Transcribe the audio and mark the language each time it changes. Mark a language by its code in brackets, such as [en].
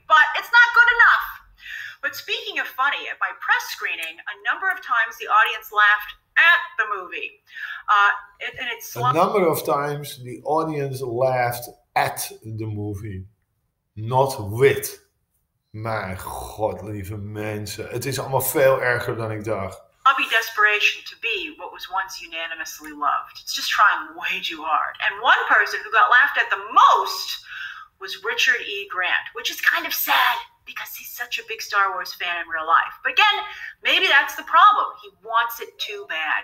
[en] But it's not good enough. But speaking of funny, at my press screening, a number of times the audience laughed at the movie. Not with. [nl] Mijn god, lieve mensen. Het is allemaal veel erger dan ik dacht. [en] Hobby desperation to be what was once unanimously loved. It's just trying way too hard. And one person who got laughed at the most was Richard E. Grant, which is kind of sad. Because he's such a big Star Wars fan in real life. But again, maybe that's the problem. He wants it too bad.